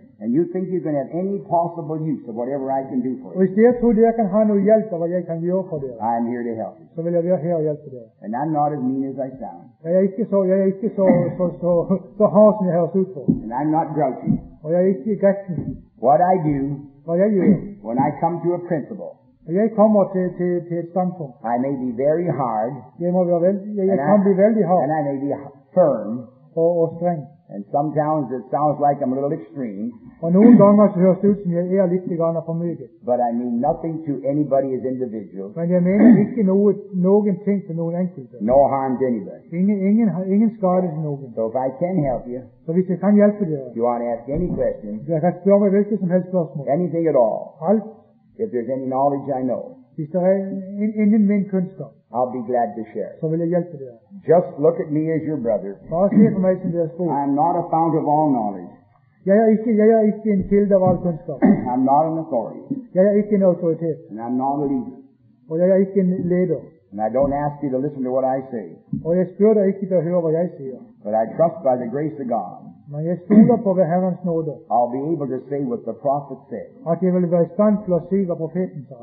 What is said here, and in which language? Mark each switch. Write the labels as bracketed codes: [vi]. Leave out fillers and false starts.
[en] And you think you can have any possible use of whatever I can do for you? [no] Hvis dere tror dere kan ha noe hjelp av hva jeg kan gjøre for dere, [en] I am here to help. [no] Så vil jeg være her og hjelpe dere. [en] And I'm not as mean as I sound. [no] Jeg er ikke så hard som jeg høres ut for. [en] And I'm not grouchy. [no] Og jeg er ikke grouchy. [en] What I do, [no] hva jeg gjør, [en] when I come to a principle, [no] når jeg kommer til et standpunkt, [en] I may be very hard. [no] Jeg kan bli veldig hard. [en] And I may be firm. [no] Og streng. [en] And sometimes it sounds like I'm a little extreme. But I mean nothing to anybody as individual. [no] Men jeg mener ikke noen ting til noen enkelte. [en] No harm to anybody. [no] Ingen skade til noen. [en] So if I can help you, [no] så hvis jeg kan hjelpe dere, [en] you want to ask any question, [no] jeg kan spørre meg hvilke som helst spørsmål, [en] anything at all, [no] alt, [en] if there's any knowledge I know, [no] hvis det ingen min kunnskap, [en] I'll be glad to share. [no] Så vil jeg hjelpe dere. [en] Just look at me as your brother. I'm not a fount of all knowledge. [no] Jeg er ikke en kilde av all kunnskap. [en] I'm not an authority. [no] Jeg er ikke en autoritet. [en] And I'm not a leader. [no] Og jeg er ikke en leder. [en] And I don't ask you to listen to what I say. [no] Og jeg spør deg ikke til å høre hva jeg sier. [en] But I trust by the grace of God. [no] Men jeg stoler på ved Herrens nåde. [en] I'll be able to say what the prophet said. [no] At jeg vil være i stand til å si hva profeten sa.